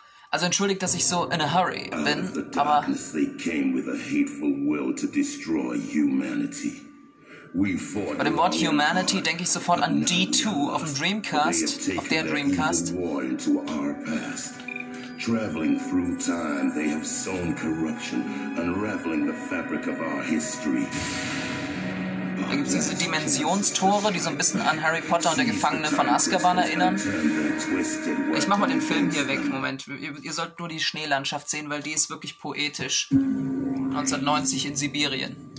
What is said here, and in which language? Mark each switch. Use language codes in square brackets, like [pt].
[de] Also entschuldigt, dass ich so [en] in a hurry [de] bin, aber bei dem Wort Humanity denke ich sofort an D2 auf dem Dreamcast, auf der Dreamcast. [en] Traveling through time, they have sown corruption, unraveling the fabric of our history. [de] Da gibt es diese Dimensionstore, die so ein bisschen an Harry Potter und der Gefangene von Azkaban erinnern. Ich mach mal den Film hier weg, Moment. Ihr sollt nur die Schneelandschaft sehen, weil die ist wirklich poetisch. 1990 in Sibirien.